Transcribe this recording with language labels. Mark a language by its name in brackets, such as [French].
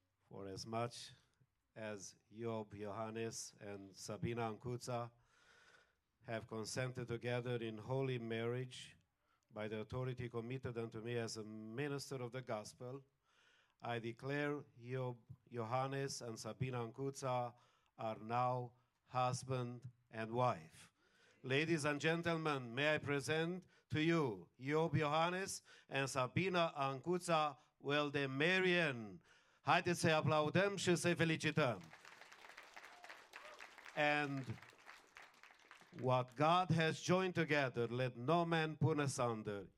[English] For as much as Job, Johannes, and Sabina Ankutsa have consented together in holy marriage by the authority committed unto me as a minister of the gospel, I declare Job, Johannes, and Sabina Ankutsa are now husband and wife. Ladies and gentlemen, may I present to you Job Johannes and Sabina Ancuța Weldemirian. [Romanian] Haideți să-i aplaudăm și să-i felicităm. [English] And what God has joined together, let no man put asunder.